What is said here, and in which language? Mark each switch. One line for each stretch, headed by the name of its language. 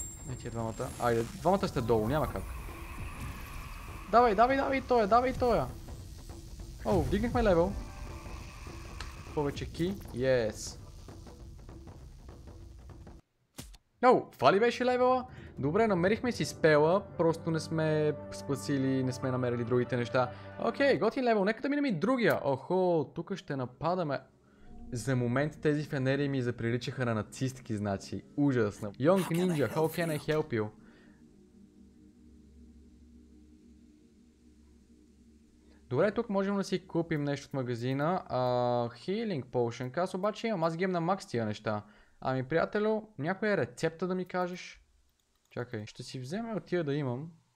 Bulgarian: Ей, тия двамата. Айде, двамата сте долу, няма как. Давай, давай, давай тоя, давай тоя. О, вдигнахме левел. Повече ки,
English: yes.
Bulgarian: Но, това ли беше левела? Добре, намерихме си спела, просто не сме спасили, не сме намерили другите неща. Окей, готин левел, нека да минем и другия. Охо, тук ще нападаме. За момент тези фенери ми заприличаха на нацистки знаци. Ужасно.
English: Young Ninja, how can I help you?
Bulgarian: Добре, тук можем да си купим нещо от магазина. Healing Potion, аз обаче имам, аз ги имам на макс тия неща. Ами, приятелю, някоя рецепта да ми кажеш? Чакай, ще си взема от тия да имам.